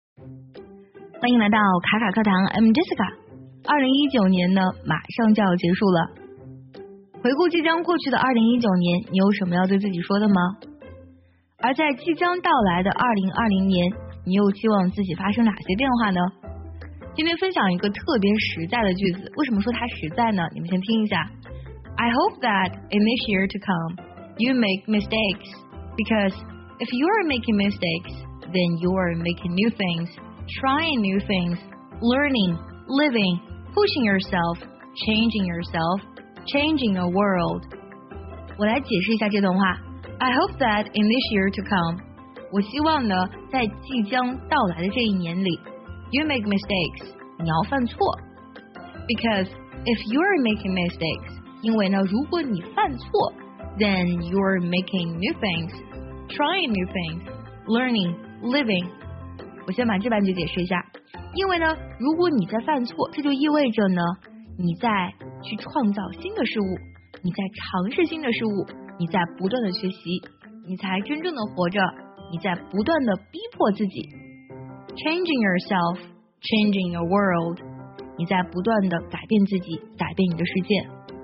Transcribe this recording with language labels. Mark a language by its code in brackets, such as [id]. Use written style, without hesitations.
[zh] 欢迎来到卡卡课堂 ， [en] I'm Jessica。 [zh] 2019年呢，马上就要结束了。回顾即将过去的2019年，你有什么要对自己说的吗？而在即将到来的2020年，你又期望自己发生哪些变化呢？今天分享一个特别实在的句子，为什么说它实在呢？你们先听一下。 [en] I hope that in this year to come, you make mistakes, because if you are making mistakes, then you are making new things. Trying new things, learning, living, pushing yourself, changing yourself, changing the world. [zh] 我来解释一下这段话。 [en] I hope that in this year to come, [zh] 我希望呢，在即将到来的这一年里 [en] ，you make mistakes, [zh] 你要犯错。 [en] Because if you are making mistakes, [zh] 因为呢，如果你犯错 [en] ，then you are making new things, trying new things, learning, living. [zh] 我先把这半句解释一下，因为呢，如果你在犯错，这就意味着呢，你在去创造新的事物，你在尝试新的事物，你在不断的学习，你才真正的活着，你在不断的逼迫自己 ， [en] changing yourself, changing your world， [zh] 你在不断的改变自己，改变你的世界。